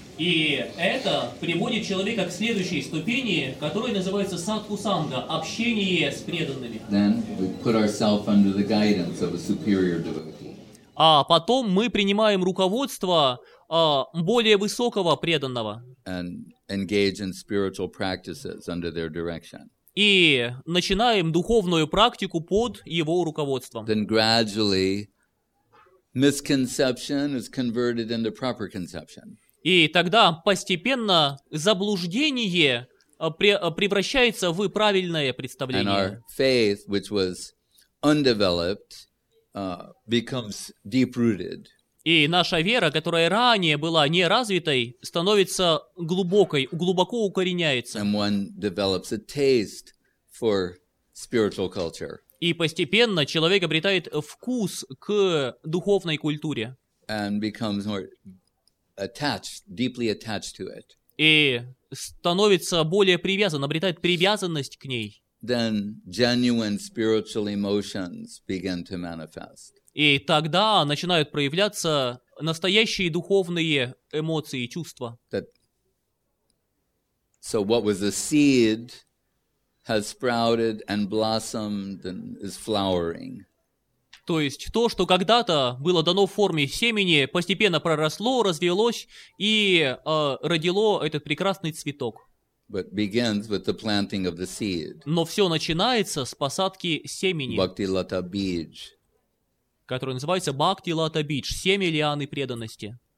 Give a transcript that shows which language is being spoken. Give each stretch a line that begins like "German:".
Russian: И это приводит человека к следующей ступени, которая называется Sadhu Sangha, общение с преданными.
English: Then we put ourselves under the guidance of a superior devotee.
Russian: А потом мы принимаем руководство более высокого преданного.
English: And engage in spiritual practices under their direction.
Russian: И начинаем духовную практику под его руководством.
English: Then gradually, misconception is converted into proper conception.
Russian: И тогда постепенно заблуждение превращается в правильное представление.
English: And our faith, which was undeveloped, becomes deep-rooted.
Russian: И наша вера, которая ранее была неразвитой, становится глубокой, глубоко укореняется.
English: And one develops a taste for spiritual culture.
Russian: И постепенно человек обретает вкус к духовной культуре.
English: And becomes more attached, deeply attached to it.
Russian: И становится более привязан, обретает привязанность к ней.
English: Then genuine spiritual emotions begin to manifest.
Russian: И тогда начинают проявляться настоящие духовные эмоции и чувства.
English: That, so what was a seed has sprouted and blossomed and is flowering.
Russian: То есть то, что когда-то было дано в форме семени, постепенно проросло, развелось и родило этот прекрасный цветок.
English: But begins with the planting of the seed.
Russian: Но все начинается с посадки семени. Бхакти лата бидж. Который называется Бхакти Лата Бидж, семь лианы преданности.